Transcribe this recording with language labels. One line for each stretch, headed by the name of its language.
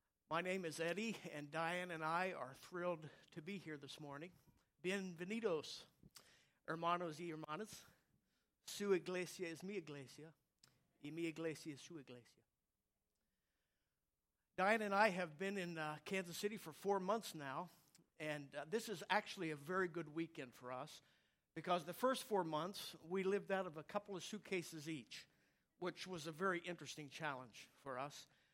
English: My name is Eddie, and Diane and I are thrilled to be here this morning.
Spanish: Bienvenidos, hermanos y hermanas. Su iglesia es mi iglesia, y mi iglesia es su iglesia.
English: Diane and I have been in Kansas City for 4 months now, and this is actually a very good weekend for us, because the first 4 months, we lived out of a couple of suitcases each, which was a very interesting challenge for us.